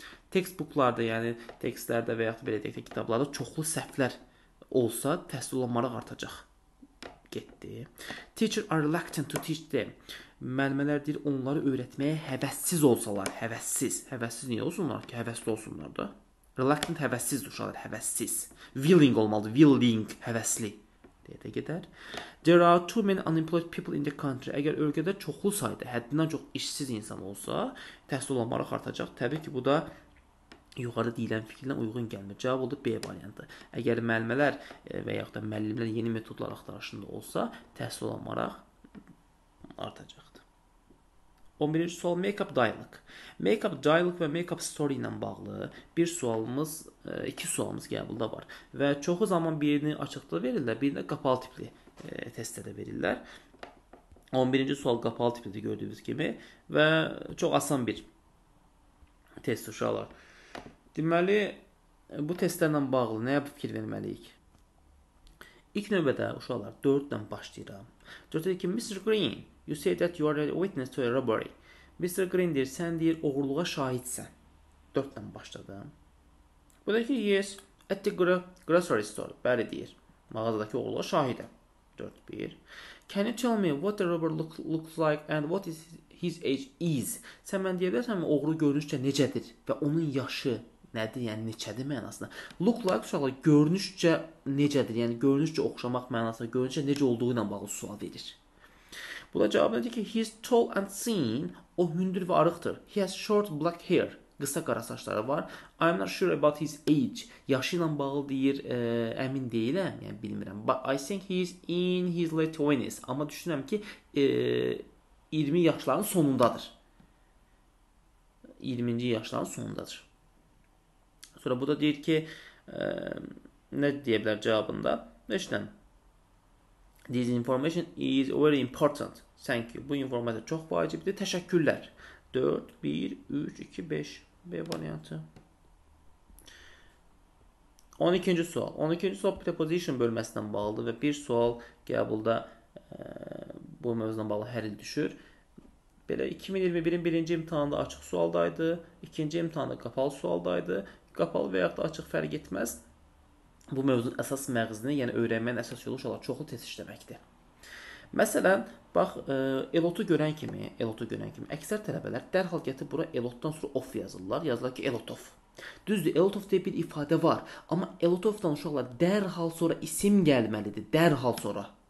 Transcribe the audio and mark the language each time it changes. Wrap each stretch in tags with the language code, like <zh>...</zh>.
<az>Textbooklarda, yəni tekstlərdə və yaxud belə deyək də kitablarda çoxlu səhvlər olsa təhsil olan maraq artacaq. Getdi.</az> <en>Teacher are reluctant to teach them.</en> <az>Müəllimələr deyir, onları öyrətməyə həvəssiz olsalar. Həvəssiz. Həvəssiz niyə olsunlar ki? Həvəssiz olsunlar da. Reluctant, həvəssiz uşaqlar, həvəssiz. Willing olmalıdır, willing, həvəsli. Deyə də gedər.</az> <en>There are too many unemployed people in the country.</en> <az>Əgər ölkədə çoxlu sayda, həddindən çox işsiz insan olsa, təhsil olan maraq artacaq. Təbii ki, bu da yuxarı deyilən fikirlə uyğun gəlmir. Cavab oldu B variantı. Əgər müəllimlər və yaxud da müəllimlər yeni metodlar axtarışında olsa, təhsil olan maraq artacaqdır. 11-ci sual, make-up dialogue. Make-up dialogue və make-up story ilə bağlı bir sualımız, iki sualımız qəbulda var. Və çoxu zaman birini açıqda verirlər, birini də qapalı tipli test edə verirlər. 11-ci sual qapalı tiplidir gördüyünüz kimi və çox asan bir test uşaqlar. Deməli, bu testlərlə bağlı nəyə fikir verməliyik? İlk növbədə uşaqlar 4-dən başlayıram. 4-də deyir ki, Mr.</az> <en>Green, you say that you are a witness to a robbery. Mr.</en> <az>Green deyir, sən deyir, oğurluğa şahidsən. 4-dən başladım. Bu deyir ki,</az> <en>yes, at the grocery store.</en> <az>Bəli deyir, mağazadakı oğurluğa şahidəm. 4-1.</az> <en>Can you tell me what the robber looks like and what is his age is?</en> <az>Sən mən deyə bilərsən, oğru görünüşcə necədir və onun yaşı nədir, yəni neçədir mənasında. Look like uşaqlar görünüşcə necədir, yəni görünüşcə oxşamaq mənasında, görünüşcə necə olduğu ilə bağlı sual verir. Bu da cavab nədir ki,</az> <en>he's tall and thin,</en> <az>o hündür və arıqdır.</az> <en>He has short black hair,</en> <az>qısa qara saçları var.</az> <en>I'm not sure about his age,</en> <az>yaşı ilə bağlı deyir, əmin deyiləm, yəni bilmirəm.</az> <en>But I think he's in his late 20s,</en> <az>amma düşünürəm ki, 20 yaşların sonundadır. 20-ci yaşların sonundadır. Sonra bu da deyir ki, nə deyə bilər cavabında? Məsələn,</az> <en>this information is very important. Thank you.</en> <az>Bu informasiya çox vacibdir. Təşəkkürlər. 4, 1, 3, 2, 5. B variantı. 12-ci sual. 12-ci sual preposition bölməsindən bağlıdır və bir sual qəbulda bu mövzudan bağlı hər il düşür. Belə 2021-in birinci imtihanında açıq sualdaydı, ikinci imtihanında qapalı sualdaydı. Qapalı və yaxud da açıq fərq etməz. Bu mövzunun əsas məğzini, yəni öyrənməyin əsas yolu uşaqlar çoxlu test işləməkdir. Məsələn, bax, elotu görən kimi, elotu görən kimi, əksər tələbələr dərhal gətirib bura elotdan sonra of yazırlar. Yazırlar ki, elot of. Düzdür, elot of deyə bir ifadə var. Amma elot ofdan uşaqlar dərhal sonra isim gəlməlidir, dərhal sonra.</az>